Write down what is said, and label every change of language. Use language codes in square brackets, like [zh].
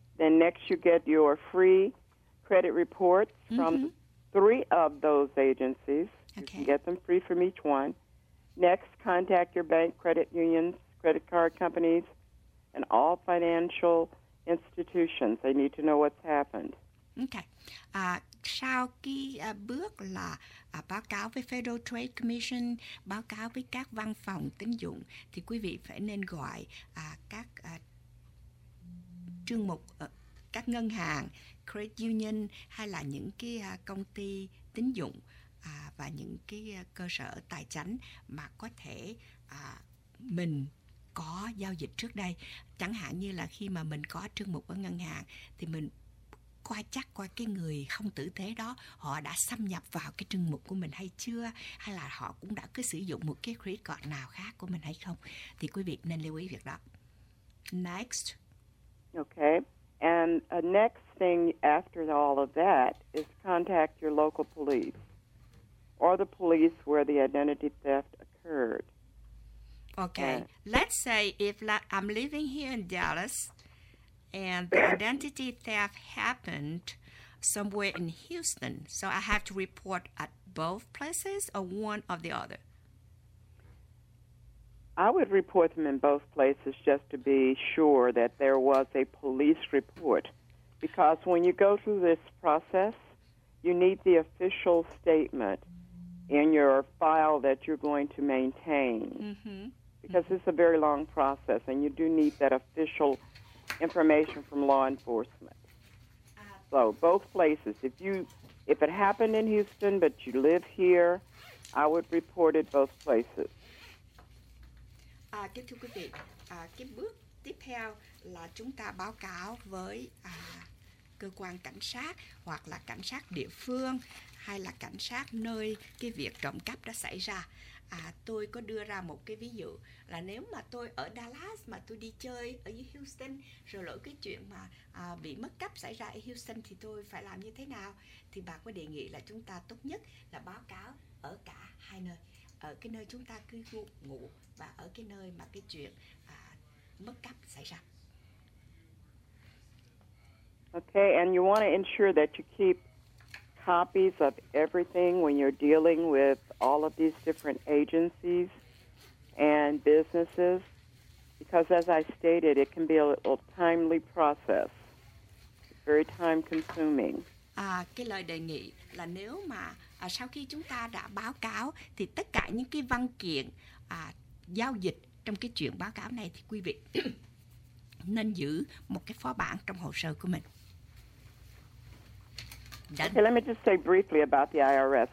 [en] Then next you get your free credit reports from three of those agencies. Okay. You can get them free from each one. Next, contact your bank, credit unions, credit card companies, and all financial institutions. They need to know what's happened. Okay. [vi] Sau khi bước là báo cáo với Federal Trade Commission, báo cáo với các văn phòng tín dụng, thì quý vị phải nên gọi các chương mục, các ngân hàng, credit union, hay là những cái công ty tín dụng và những cái cơ sở tài chánh mà có thể mình có giao dịch trước đây. Chẳng hạn như là khi mà mình có chương mục ở ngân hàng thì mình coi chắc coi cái người không tử tế đó họ đã xâm nhập vào cái chương mục của mình hay chưa, hay là họ cũng đã cứ sử dụng một cái credit card nào khác của mình hay không, thì quý vị nên lưu ý việc đó. [en] Next. Okay. And a next thing after all of that is contact your local police or the police where the identity theft occurred. Okay. Let's say if I'm living here in Dallas and the identity theft happened somewhere in Houston, so I have to report at both places or one or the other? I would report them in both places just to be sure that there was a police report. Because when you go through this process, you need the official statement in your file that you're going to maintain. Mm-hmm. Because it's a very long process, and you do need that official information from law enforcement. So both places. If it happened in Houston, but you live here, I would report it both places. [vi] Kính thưa quý vị, cái bước tiếp theo là chúng ta báo cáo với cơ quan cảnh sát, hoặc là cảnh sát địa phương, hay là cảnh sát nơi cái việc trộm cắp đã xảy ra. Tôi có đưa ra một cái ví dụ là nếu mà tôi ở Dallas mà tôi đi chơi ở Houston, rồi lỡ cái chuyện mà bị mất cắp xảy ra ở Houston thì tôi phải làm như thế nào? Thì bà có đề nghị là chúng ta tốt nhất là báo cáo ở cả hai nơi, ở cái nơi chúng ta cư ngụ và ở cái nơi mà cái chuyện mất cắp xảy ra. [en] Okay, and you want to ensure that you keep copies of everything when you're dealing with all of these different agencies and businesses, because as I stated, it can be a little timely process. It's very time consuming. [vi] Cái lời đề nghị là nếu mà sau khi chúng ta đã báo cáo thì tất cả những cái văn kiện giao dịch trong cái chuyện báo cáo này thì quý vị nên giữ một cái phó bản trong hồ sơ của mình. [en] Okay, let me just say briefly about the IRS.